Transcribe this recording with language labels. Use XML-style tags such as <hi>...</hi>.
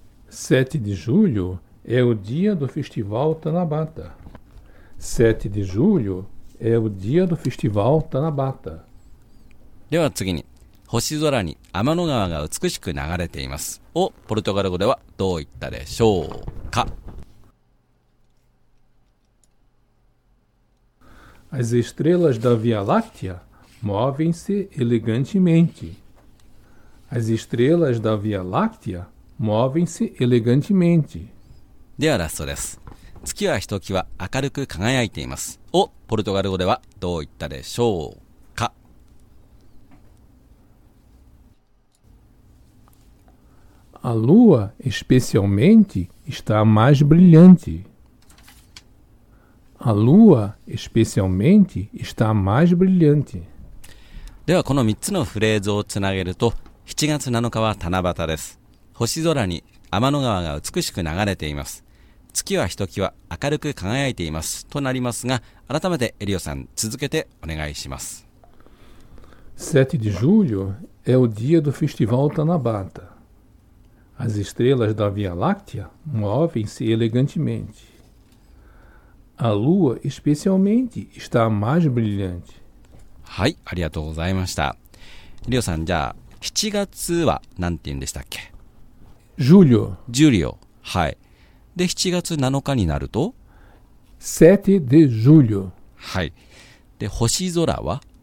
<pt>7 de julho é o dia do festival Tanabata. 7 de julho é o dia do festival Tanabata.</pt> <ja>では次に、星空に天の川が美しく流れていますをポルトガル語ではどう言ったでしょうか。</ja> <pt>As estrelas da Via Láctea movem-se elegantemente. As estrelas da Via Láctea movem-se elegantemente.</pt> <ja>ではラストです。月はひときわ明るく輝いていますをポルトガル語ではどう言ったでしょうか。</ja> <pt>A lua especialmente está mais brilhante. A lua especialmente está mais brilhante.</pt> <ja>ではこの3つのフレーズをつなげると、7月7日は七夕です。星空に天の川が美しく流れています、月はひときわ明るく輝いていますとなりますが、改めてエリオさん続けてお願いします。</ja> <pt>7 de julho é o dia do festival Tanabata. As estrelas da Via Láctea movem-se elegantemente. A lua especialmente está mais brilhante.</pt> <ja>はい、ありがとうございました。エリオさん、じゃあ7月は何て言うんでしたっけ。</ja> <pt>ジュリオ</pt> <ja>、はい。で、7月7日になると</ja> <pt>7 de julho。</pt> <ja>はい。で、星空は</ja>